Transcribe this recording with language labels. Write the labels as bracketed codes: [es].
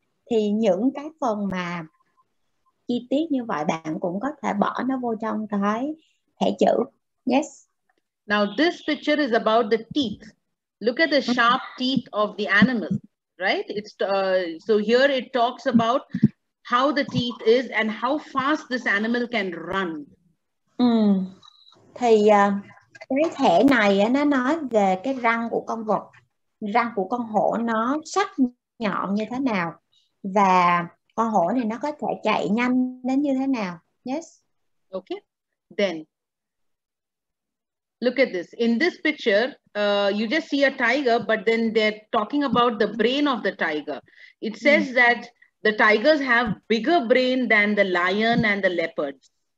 [vi] Thì những cái phần mà chi tiết như vậy bạn cũng có thể bỏ nó vô trong cái thẻ chữ. [en] Yes. Now this picture is about the teeth. Look at the sharp teeth of the animal, right? It's so here it talks about how the teeth is and how fast this animal can run. [vi] Thì cái thẻ này nó nói về cái răng của con vật, răng của con hổ nó sắc nhọn như thế nào và con hổ này nó có thể chạy nhanh đến như thế nào. [en] Yes. Okay. Then look at this. In this picture, you just see a tiger, but then they're talking about the brain of the tiger. It says that the tigers have bigger brain than the lion and the leopards.